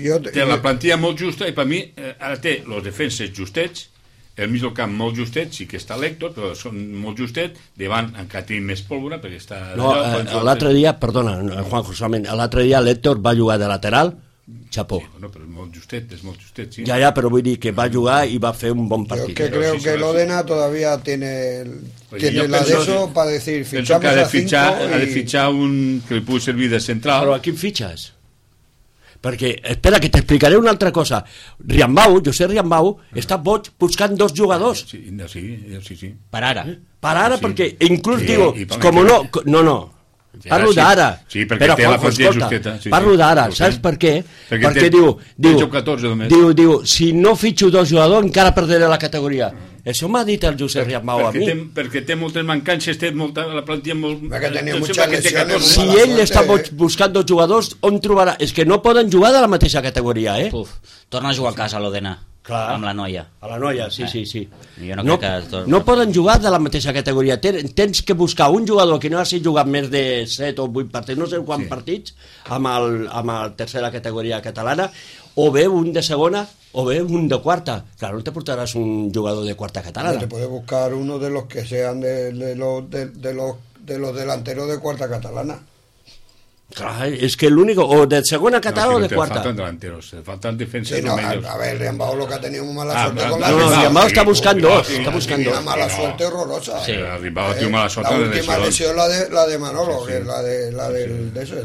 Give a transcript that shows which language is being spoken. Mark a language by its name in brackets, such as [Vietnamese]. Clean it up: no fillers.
[Catalan] Té la plantilla molt justa i per mi ara té els defenses justets, el mig del camp molt justet, sí que està l'Hector, però són molt justet, davant encara tenim més pólvora, perquè està... No, l'altre dia, perdona, Juanjo, l'altre dia l'Hector va jugar de lateral, Chapó. Sí, bueno, però és molt justet, sí. Ja, ja, però vull dir que va jugar i va fer un bon partit. [Spanish] Jo que creo que l'Odena todavía tiene la de eso para decir, fichamos a 5. [Catalan] Ha de fitxar un que li pugui servir de central. Però a quin fitxes? Perquè, espera, que t'explicaré una altra cosa. Riambau, José Riambau, està boig buscant dos jugadors. Sí. Per ara. Per ara, sí. Perquè inclús digo, com no, no, no. Parlo d'ara. Sí, perquè té la fantasia justeta. Sí, parlo d'ara, saps per què? Perquè diu, si no fitxo dos jugadors encara perdré la categoria. Això m'ha dit el Josep Riambau a mi. Perquè té moltes mancances, té molta, la plantilla molt... Si ell està buscant dos jugadors, on trobarà? És que no poden jugar de la mateixa categoria, eh? Puf, torna a jugar a casa a l'Odena. Clar. Amb la noia. A la noia, sí, sí, sí. Jo no, crec que tot... no poden jugar de la mateixa categoria. Tens que buscar un jugador que no hagi jugat més de 7 o 8 partits, no sé quants partits, amb el tercera categoria catalana, o bé un de segona, o bé un de quarta. Clar, no te portaràs un jugador de quarta catalana. [Spanish] Te puedes buscar uno de los que sean de los delanteros de quarta catalana. [Catalan] Clar, és que l'únic, o de segona catalana, no, o de quarta. Falten delanteros, falten defensors. [Spanish] Sí, no, a ver, Riambau lo que ha tenido mala suerte con la... [Catalan] No, Riambau està buscant dos, està buscant dos. [Spanish] Una mala suerte horrorosa. [Catalan] Sí, Riambau té una mala suerte [Spanish] de lesión. La última lesión, la de Manolo, sí, sí.